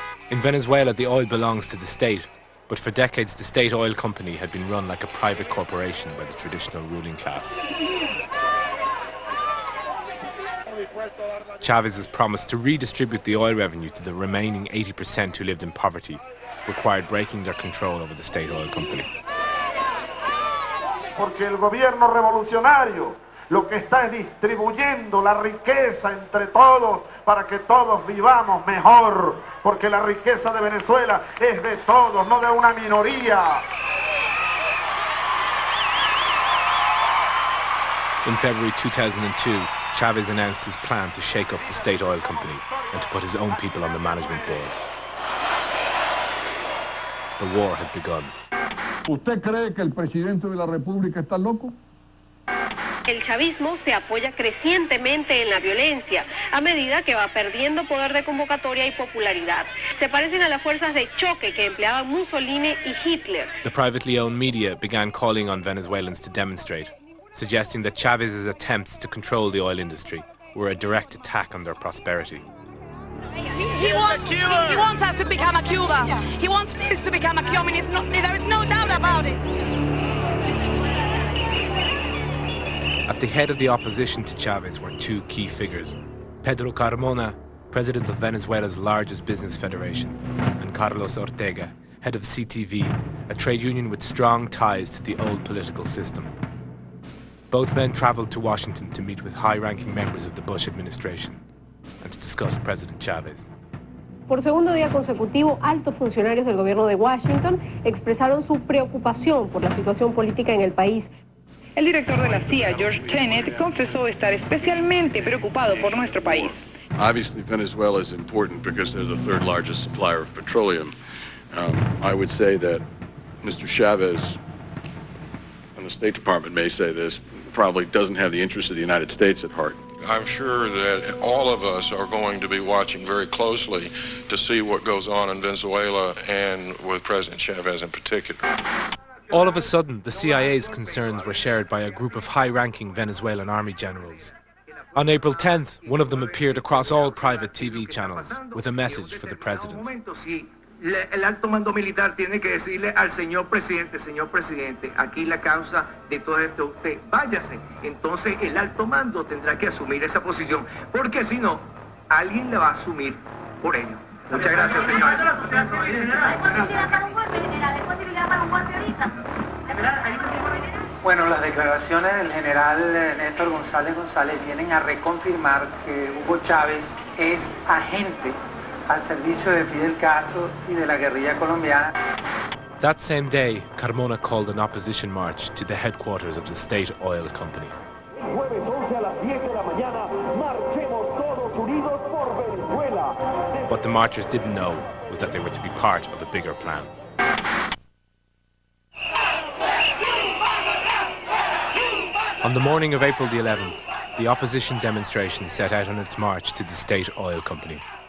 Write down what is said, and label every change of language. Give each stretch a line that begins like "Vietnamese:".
English: In Venezuela, the oil belongs to the state. But for decades, the state oil company had been run like a private corporation by the traditional ruling class. Chavez has promised to redistribute the oil revenue to the remaining 80% who lived in poverty, required breaking their control over the state oil company.
Spanish: Porque el gobierno revolucionario lo que está es distribuyendo la riqueza entre todos para que todos vivamos mejor. Porque la riqueza de Venezuela es de todos, no de una minoría.
English: In February 2002, Chavez announced his plan to shake up the state oil company and to put his own people on the management board. The war had begun.
Spanish: ¿Usted cree que el presidente de la República está loco? El chavismo se apoya crecientemente en la violencia, a medida que va perdiendo poder de convocatoria y popularidad. Se parecen a las fuerzas de choque que empleaban Mussolini y Hitler.
English: The privately owned media began calling on Venezuelans to demonstrate, suggesting that Chavez's attempts to control the oil industry were a direct attack on their prosperity. He wants us to become a Cuba. He wants this to become a communist. No, there is no doubt about it. At the head of the opposition to Chavez were two key figures, Pedro Carmona, president of Venezuela's largest business federation, and Carlos Ortega, head of CTV, a trade union with strong ties to the old political system. Both men traveled to Washington to meet with high-ranking members of the Bush administration and to discuss President Chavez.
Spanish: Por segundo día consecutivo, altos funcionarios del gobierno de Washington expresaron su preocupación por la situación política en el país. El director de la CIA, George Tenet, confesó estar especialmente preocupado por nuestro país.
English: Obviously, Venezuela is important because they're the third largest supplier of petroleum. I would say that Mr. Chavez, and the State Department may say this, probably doesn't have the interests of the United States at heart. I'm sure that all of us are going to be watching very closely to see what goes on in Venezuela and with President Chavez in particular. All of a sudden, the CIA's concerns were shared by a group of high-ranking Venezuelan army generals. On April 10th, one of them appeared across all private TV channels with a message for the president.
Spanish: El alto mando militar tiene que decirle al señor presidente, aquí la causa de todo esto, usted, váyase. Entonces el alto mando tendrá que asumir esa posición, porque si no, alguien la va a asumir por ello. Muchas gracias, señor. ¿Hay posibilidad para un golpe, general? ¿Hay posibilidad para un golpe ahorita? Bueno, las declaraciones del general Néstor González González vienen a reconfirmar que Hugo Chávez es agente al servicio de Fidel Castro y de la guerrilla colombiana.
English: That same day, Carmona called an opposition march to the headquarters of the state oil company.
Spanish: Jueves 11 a las 10 de la mañana, marchemos todos unidos por Venezuela.
English: What the marchers didn't know was that they were to be part of a bigger plan. On the morning of April the 11th, the opposition demonstration set out on its march to the state oil company.